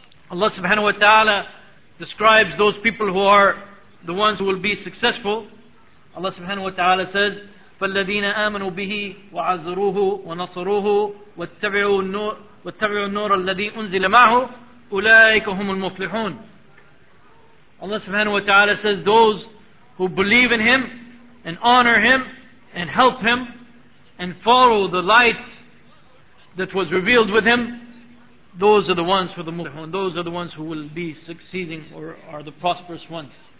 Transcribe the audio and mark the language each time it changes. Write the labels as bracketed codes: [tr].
[en] Allah subhanahu wa ta'ala describes those people who are the ones who will be successful. [ar] Allah subhanahu wa ta'ala says, فَالَّذِينَ آمَنُوا بِهِ وَعَزَّرُوهُ وَنَصَرُوهُ وَاتَّبِعُوا النُّورَ الَّذِي أُنزِلَ مَعْهُ أُولَٰئِكَ هُمُ الْمُفْلِحُونَ. [en] Allah subhanahu wa ta'ala says, those who believe in him and honor him and help him and follow the light that was revealed with him, those are the ones for the muflihun. Those are the ones who will be succeeding or are the prosperous ones.